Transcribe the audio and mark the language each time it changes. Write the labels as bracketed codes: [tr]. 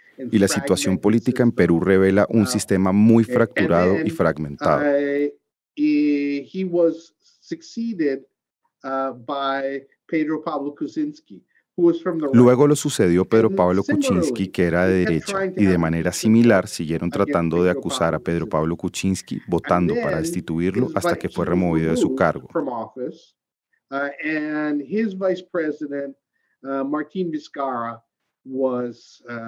[es] Y la situación política en Perú revela un sistema muy fracturado y fragmentado. [en] He was succeeded by Pedro Pablo Kuczynski, who was from the right. [es] Luego lo sucedió Pedro Pablo Kuczynski, que era de derecha, y de manera similar siguieron tratando de acusar a Pedro Pablo Kuczynski, votando para destituirlo hasta que fue removido de su cargo. [en] And his vice president, Martín Vizcarra, was